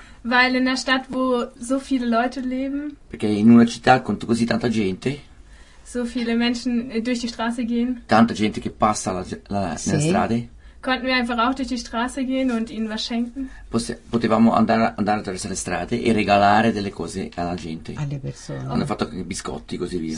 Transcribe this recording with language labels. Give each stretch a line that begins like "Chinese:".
German: Weil in der Stadt wo so viele Leute leben.
Italian: Perché in una città con così tanta gente.
German: So viele Menschen durch die Straße gehen.
Italian: Tanta gente che passa nelle strade.
German: Konnten wir einfach auch durch die Straße gehen und ihnen was schenken.
Italian: Potevamo andare attraverso le strade e regalare delle cose alla gente. Alle persone. Hanno fatto anche biscotti, così via.